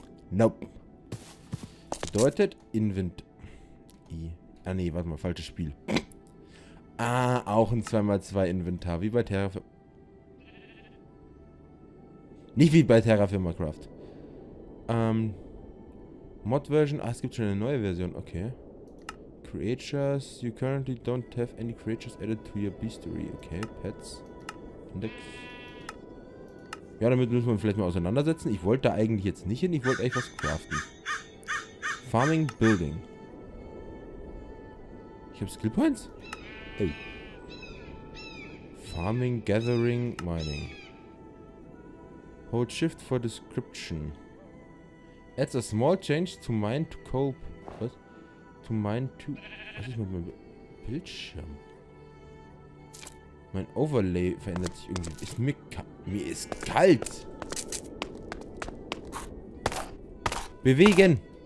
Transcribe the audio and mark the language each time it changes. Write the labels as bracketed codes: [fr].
[de] Nope. Bedeutet Invent. I. Ah nee, warte mal, falsches Spiel. Ah, auch ein 2x2 Inventar, wie bei Terra. Nicht wie bei Terra Firma Craft. Mod Version. Ah, es gibt schon eine neue Version. [en] Okay. Creatures. You currently don't have any creatures added to your beastery. Okay, Pets. Index. [de] Ja, damit müssen wir vielleicht mal auseinandersetzen. Ich wollte da eigentlich jetzt nicht hin. Ich wollte eigentlich was craften. [en] Farming Building. [de] Ich habe Skill Points. Ey. [en] Farming, Gathering, Mining. Hold Shift for Description. Adds a small change to mine to cope. [de] Was? To mine to... Was ist mit meinem Bildschirm? Mein Overlay verändert sich irgendwie. Ist mir, mir ist kalt. Bewegen.